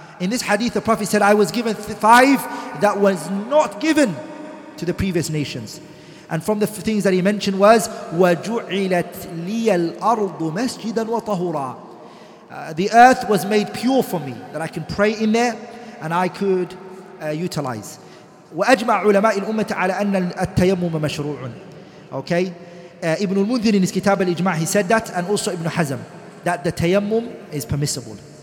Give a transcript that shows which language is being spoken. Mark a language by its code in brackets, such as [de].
[en] In this hadith, the Prophet said, I was given five that was not given to the previous nations. And from the things that he mentioned was, [ar] وَجُعِلَتْ لِيَ الْأَرْضُ مَسْجِدًا وَطَهُورًا. [en] The earth was made pure for me, that I can pray in there and I could utilize. [ar] وأجمع علماء الأمة على أن التيمم مشروع. [en] Okay, Ibn al-Mundhir in his Kitab al-Ijma, he said that, and also Ibn Hazm, that the tayammum is permissible.